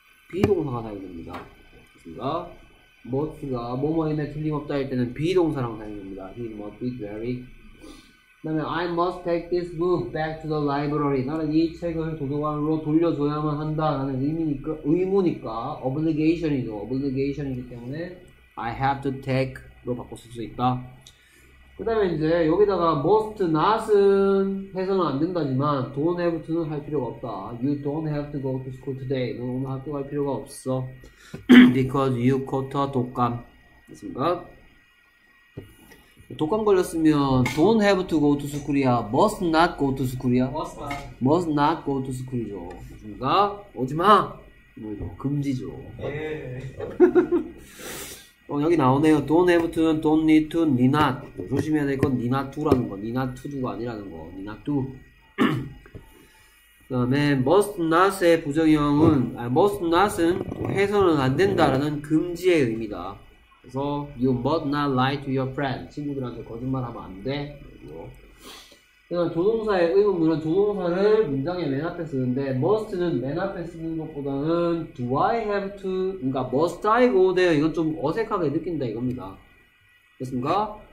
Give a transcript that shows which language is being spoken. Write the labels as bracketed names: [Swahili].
[Korean] 비동사가 사용됩니다. 됐습니까? 머스가 뭐뭐인에 틀림없다 할 때는 비동사랑 사용됩니다. [English] He must be very. [Korean] 그다음에 [English] I must take this book back to the library. [Korean] 나는 이 책을 도서관으로 돌려줘야만 한다라는 의미니까 의무니까 obligation이죠. obligation이기 때문에 [English] I have to take [Korean] 로 바꿔 쓸 수 있다. 그다음에 이제 여기다가 [English] must not [Korean] 은 해서는 안 된다지만 [English] don't have to [Korean] 는 할 필요가 없다. [English] You don't have to go to school today. [Korean] 너 오늘 학교 갈 필요가 없어. [English] Because you caught a 독감. [Korean] 됐습니까? 독감 걸렸으면 [English] don't have to go to school이야. must not go to school이야. must not. must not go to school [Korean] 이죠. 됐습니까? 오지 마. 뭐죠? 금지죠. 여기 나오네요. [English] Don't have to는 don't need to, need not. [Korean] 조심해야 될 건 need not to라는 거, need not to도 아니라는 거, need not to. 그다음에 must not의 부정형은 must not은 해서는 안 된다라는 금지의 의미다. 그래서 [English] you must not lie to your friend. [Korean] 친구들한테 거짓말하면 안 돼. 그다음 조동사의 의문문은 조동사를 문장의 맨 앞에 쓰는데 must는 맨 앞에 쓰는 것보다는 [English] do I have to [Korean] 그러니까 [English] must I go there [Korean] 이건 좀 어색하게 느낀다 이겁니다. 됐습니까?